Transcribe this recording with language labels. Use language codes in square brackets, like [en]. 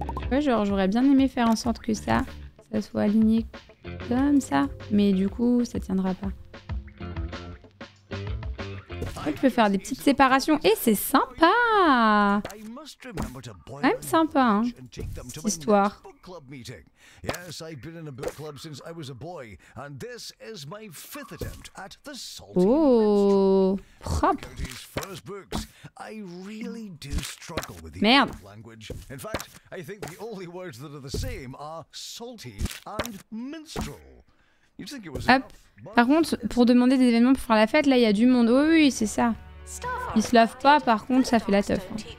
[fr] Ouais, genre, j'aurais bien aimé faire en sorte que ça... ça soit aligné comme ça, mais du coup ça tiendra pas. Tu peux faire des petites séparations et c'est sympa. Même sympa, hein, cette histoire. [en] Yes, I've been in a book club since I was a boy, and this is my fifth attempt at the salty. [fr] Oh, propre. [en] These first books, I really do struggle with the language. In fact, I think the only words that are the same are salty and minstrel. You think it was enough? [fr] Par contre, pour demander des événements pour faire la fête, là, il y a du monde. Oh oui, c'est ça. Ils se lavent pas, par contre, ça fait la teuf. Hein.